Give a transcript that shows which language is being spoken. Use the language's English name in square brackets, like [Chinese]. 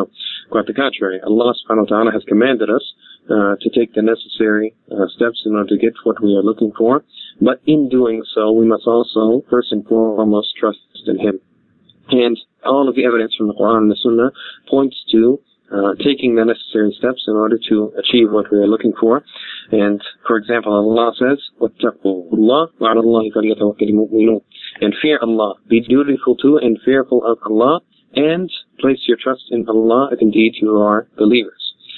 [English] No, quite the contrary. Allah subhanahu wa ta'ala has commanded us to take the necessary steps in order to get what we are looking for. But in doing so, we must also, first and foremost, trust in Him. And all of the evidence from the Quran and the Sunnah points to taking the necessary steps in order to achieve what we are looking for. And, for example, Allah says, [Arabic] وَاتَّقُوا اللَّهِ وَعَلَى اللَّهِ فَلْيَتَوَكَّلِ الْمُؤْمِنُونَ. [English] And fear Allah, be dutiful to and fearful of Allah, and place your trust in Allah, if indeed you are believers.